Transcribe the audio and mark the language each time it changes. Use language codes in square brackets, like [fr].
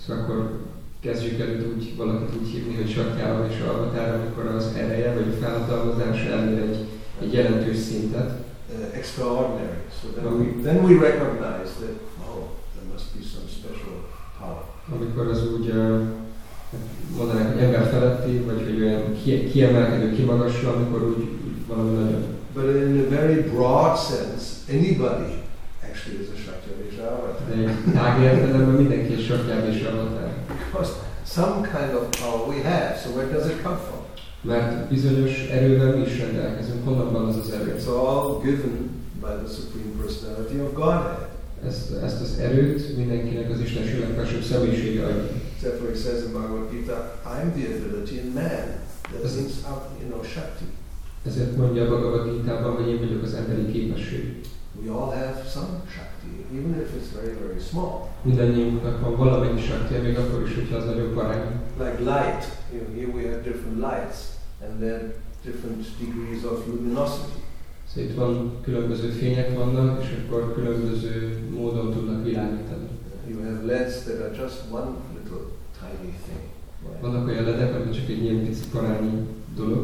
[hu] So akkor kezdjük el úgy, valakit úgy hívni, hogy Shakti Avesha Avatar, amikor az ereje vagy a felhatalmazása elér egy jelentős szintet. [en] Extraordinary. So then we recognize that oh, there must be some special power. [hu] Amikor az úgy mondanak, hogy ember feletti, vagy hogy olyan kiemelkedő, kimagasló, amikor úgy valami nagyon. [en] But in a very broad sense, anybody actually is a Shakti Avesha Avatar. [hu] De tág értelemben mindenki egy Shakti Avesha Avatar. [en] Because some kind of power we have, so where does it come from? [hu] Mert bizonyos erővel mi is rendelkezünk, honnan van az az erő? [en] It's all given by the Supreme Personality of Godhead. [hu] Ezt az erőt mindenkinek az Istenség legfelsőbb személyisége adja. [en] Therefore it says in Bhagavad Gita, I'm the ability in man, that brings up, you know, Shakti. [hu] Ezért mondja a Bhagavad Gita-ban, hogy én vagyok az emberi képesség. [en] We all have some Shakti, even if it's very, very small. [hu] Mindannyiunknak van valamennyi Shakti, még akkor is, hogyha az nagyobb barány. [en] Like light. You know, here we have different lights, and then different degrees of luminosity. [hu] So itt van különböző fények vannak, és akkor különböző módon tudnak világítani. [en] You have LEDs that are just one little tiny thing. [hu] Vannak olyan ledek, amik csak egy ilyen pici parányi dolog.